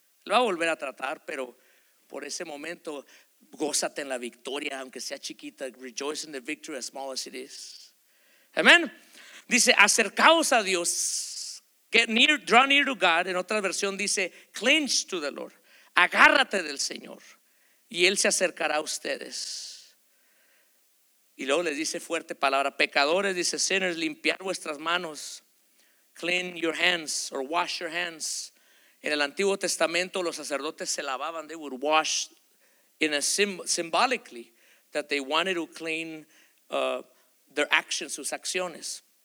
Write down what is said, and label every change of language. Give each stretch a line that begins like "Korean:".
Spanish: Él va a volver a tratar, pero por ese momento, gózate en la victoria, aunque sea chiquita.
English: Rejoice in the victory as small as it is.
Spanish: Amen. Dice, acercaos a Dios.
English: Get near, draw near to God.
Spanish: En otra versión dice,
English: cling to the Lord.
Spanish: Agárrate del Señor y Él se acercará a ustedes. Y luego les dice fuerte palabra, pecadores, dice, sinners, limpiad vuestras manos.
English: Clean your hands or wash your hands.
Spanish: En el Antiguo Testamento los sacerdotes se lavaban.
English: They would wash in a symbolically that they wanted to clean their actions,
Spanish: sus acciones.